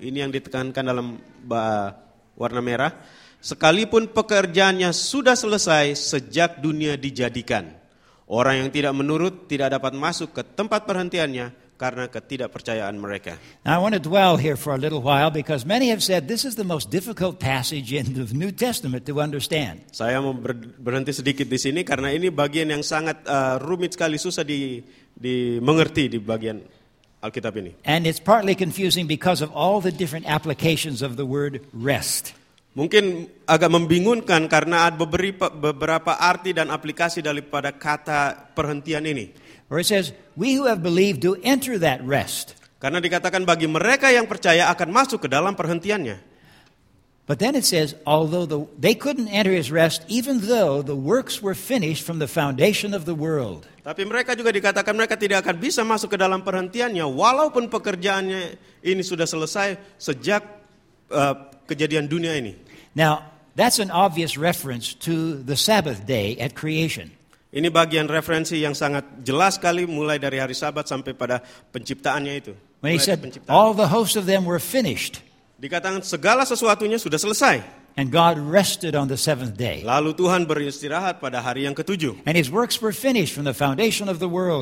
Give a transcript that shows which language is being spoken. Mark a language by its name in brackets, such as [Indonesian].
[Indonesian] Ini yang ditekankan dalam warna merah. Sekalipun pekerjaannya sudah selesai sejak dunia dijadikan. Orang yang tidak menurut tidak dapat masuk ke tempat perhentiannya karena ketidakpercayaan mereka. [English] Now I want to dwell here for a little while because many have said this is the most difficult passage in the New Testament to understand. [Indonesian] Saya mau berhenti sedikit di sini karena ini bagian yang sangat rumit sekali, susah di dimengerti di bagian Alkitab ini. [English] And it's partly confusing because of all the different applications of the word rest. [Indonesian] Mungkin agak membingungkan karena ada beberapa arti dan aplikasi daripada kata perhentian ini. [English] Where it says, "We who have believed do enter that rest." [Indonesian] Karena dikatakan bagi mereka yang percaya akan masuk ke dalam perhentiannya. [English] But then it says, "Although they couldn't enter his rest, even though the works were finished from the foundation of the world." [Indonesian] Tapi mereka juga dikatakan mereka tidak akan bisa masuk ke dalam perhentiannya, walaupun pekerjaannya ini sudah selesai sejak kejadian dunia ini. [English] Now, that's an obvious reference to the Sabbath day at creation. [Indonesian] Ini bagian referensi yang sangat jelas sekali mulai dari hari Sabat sampai pada penciptaannya itu. [English] When he said, all the hosts of them were finished. [Indonesian] Dikatakan segala sesuatunya sudah selesai. [English] And God rested on the seventh day. [Indonesian] Lalu Tuhan beristirahat pada hari yang ketujuh. [English] And his works were finished from the foundation of the world.